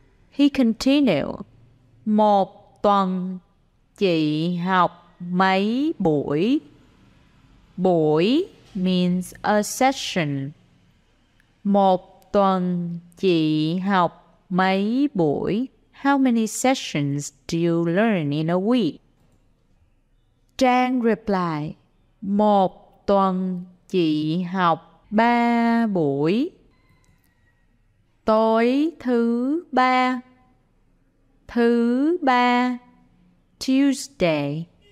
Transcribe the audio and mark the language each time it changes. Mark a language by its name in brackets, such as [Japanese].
[English] He continued, [Vietnamese] một tuần chị học mấy buổi? Buổi [English] means a session. [Vietnamese] Một tuần chị học mấy buổi? [English] How many sessions do you learn in a week? [Vietnamese] Trang [English] reply, [Vietnamese] một tuần chị học 3 buổi. Tối thứ 3. Thứ ba, Tuesday.